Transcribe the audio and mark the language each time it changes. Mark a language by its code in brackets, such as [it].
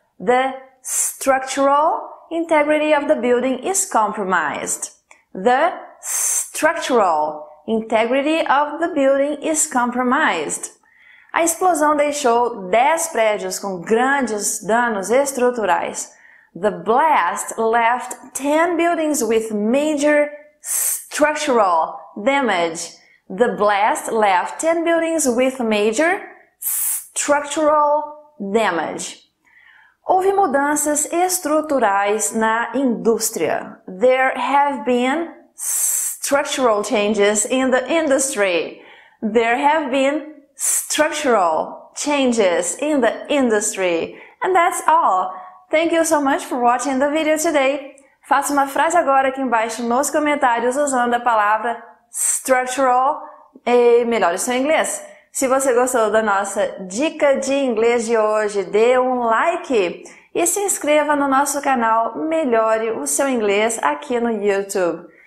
[en] The structural integrity of the building is compromised. The structural integrity of the building is compromised. [pt] A explosão deixou 10 prédios com grandes danos estruturais. [en] The blast left 10 buildings with major structural damage. The blast left 10 buildings with major structural damage. Houve mudanças estruturais na indústria. There have been structural changes in the industry. There have been structural changes in the industry. And that's all. Thank you so much for watching the video today. [pt] Faça uma frase agora aqui embaixo nos comentários usando a palavra structural e melhore seu inglês. Se você gostou da nossa dica de inglês de hoje, dê um like e se inscreva no nosso canal Melhore o Seu Inglês aqui no YouTube.